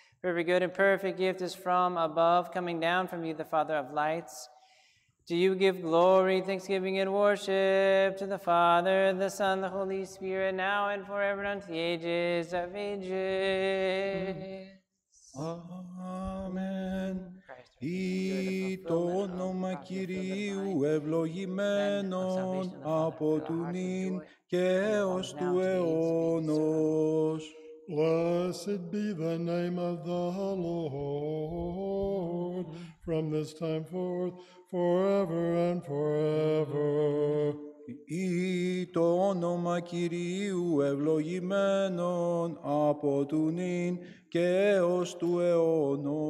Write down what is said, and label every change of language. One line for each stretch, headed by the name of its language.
English: For every good and perfect gift is from above, coming down from you, the Father of lights. Do you give glory, thanksgiving, and worship to the Father, the Son, the Holy Spirit, now and forever, and unto the ages of ages. Amen.
Greek: Ή το όνομα Κυρίου ευλογημένον από του νυν και έως του αιώνος.
English: Blessed be the name of the Lord from this time forth, forever and forever.
Greek: Ή το όνομα Κυρίου ευλογημένον από του νυν και έως του αιώνος.